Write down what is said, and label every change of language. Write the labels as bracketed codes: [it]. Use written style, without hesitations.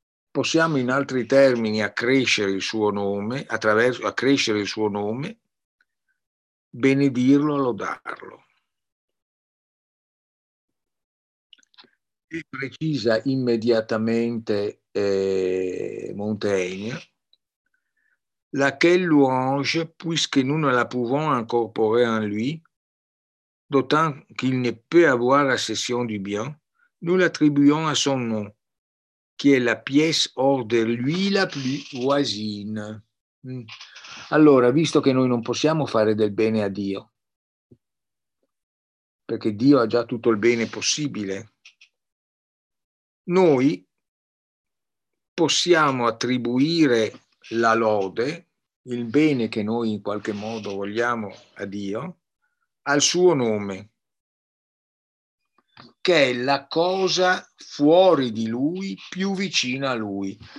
[it] Possiamo in altri termini accrescere il suo nome, attraverso accrescere il suo nome, benedirlo, lodarlo. E precisa immediatamente Montaigne, [fr] laquelle louange, puisque nous ne la pouvons incorporer en lui, d'autant qu'il ne peut avoir la cession du bien, nous l'attribuons à son nom, qui est la pièce hors de lui la plus voisine. [it] Allora, visto che noi non possiamo fare del bene a Dio, perché Dio ha già tutto il bene possibile, noi possiamo attribuire la lode, il bene che noi in qualche modo vogliamo a Dio, al suo nome, che è la cosa fuori di lui, più vicina a lui.